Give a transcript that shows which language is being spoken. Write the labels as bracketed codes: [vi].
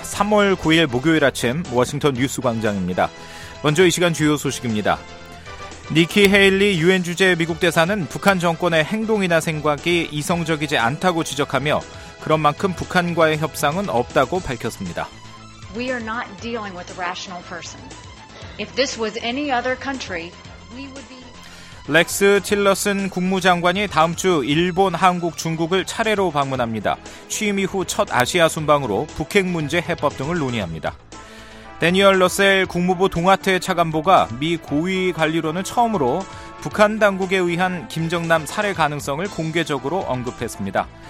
[ko] 3월 9일 목요일 아침 워싱턴 뉴스 광장입니다. 먼저 이 시간 주요 소식입니다. 니키 헤일리 유엔 주재 미국 대사는 북한 정권의 행동이나 생각이 이성적이지 않다고 지적하며 그런 만큼 북한과의 협상은 없다고 밝혔습니다. [en] We are not dealing with a rational person. If this was any other country, we would be [ko] 렉스 틸러슨 국무장관이 다음 주 일본, 한국, 중국을 차례로 방문합니다. 취임 이후 첫 아시아 순방으로 북핵 문제 해법 등을 논의합니다. 대니얼 러셀 국무부 동아태 차관보가 미 고위 관리로는 처음으로 북한 당국에 의한 김정남 살해 가능성을 공개적으로 언급했습니다.